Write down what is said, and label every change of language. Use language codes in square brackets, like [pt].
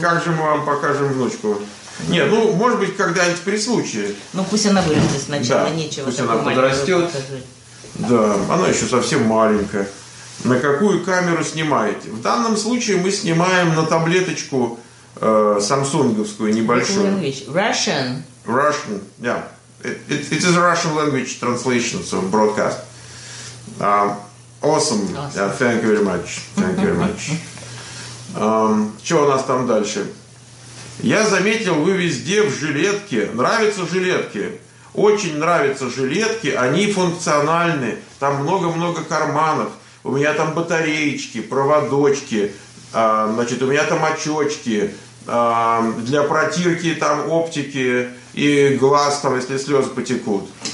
[ru] Как же мы вам покажем внучку? Нет, ну, может быть, когда-нибудь при случае. Ну, пусть она вырастет сначала, нечего. Пусть она подрастет. Да, она еще совсем маленькая. На какую камеру снимаете? В данном случае мы снимаем на таблеточку самсунговскую, небольшую. [en] Russian. Russian, yeah. It is Russian language translation, so broadcast. Awesome. Yeah, thank you very much. Thank you very much. [ru] Что у нас там дальше? Я заметил, вы везде в жилетке. Нравятся жилетки? Очень нравятся жилетки. Они функциональны. Там много-много карманов. У меня там батареечки, проводочки, значит, у меня там очечки, для протирки там оптики и глаз там, если слезы потекут.